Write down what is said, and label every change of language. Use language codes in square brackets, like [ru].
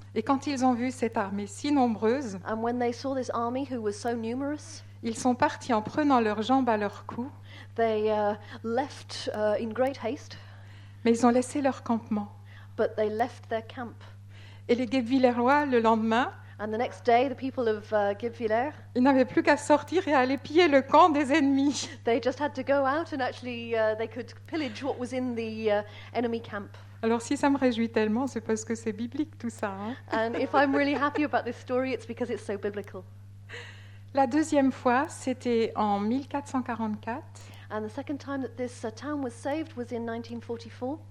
[fr] Et quand ils ont vu cette armée si nombreuse, [en] and when they saw this army who was so numerous, [fr] ils sont partis en prenant leurs jambes à leur cou. [en] They left in great haste. [fr] Mais ils ont laissé leur campement. [en] But they left their camp. [fr] Et les Guebwillerois, le lendemain, [en] and the next day, the people of Guebwiller, [fr] ils n'avaient plus qu'à sortir et à aller piller le camp des ennemis. [en] They just had to go out and actually they could pillage what was in the enemy camp. [fr] Alors si ça me réjouit tellement, c'est parce que c'est biblique tout ça. Hein? [en] And if I'm really happy about this story, it's because it's so biblical. [fr] La deuxième fois, c'était en 1444. [en] And the second time that this town was saved was in 1944.